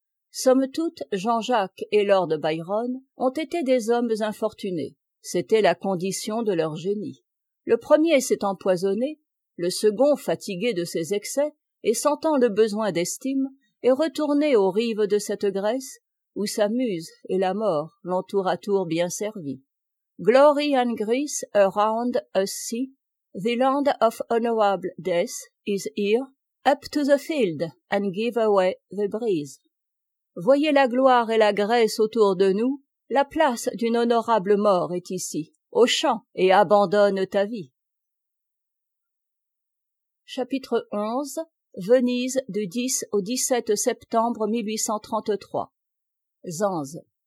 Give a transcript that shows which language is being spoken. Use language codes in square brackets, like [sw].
[fr] Somme toute, Jean-Jacques et Lord Byron ont été des hommes infortunés. C'était la condition de leur génie. Le premier s'est empoisonné, le second, fatigué de ses excès, et sentant le besoin d'estime, est retourné aux rives de cette Grèce, où sa muse et la mort l'ont tour à tour bien servi. [en] Glory and Greece around us see, the land of honorable death is here, up to the field and give away the breeze. [fr] Voyez la gloire et la Grèce autour de nous, la place d'une honorable mort est ici, au champ et abandonne ta vie. Chapitre 11. Venise du 10 au 17 septembre 1833. Zanze.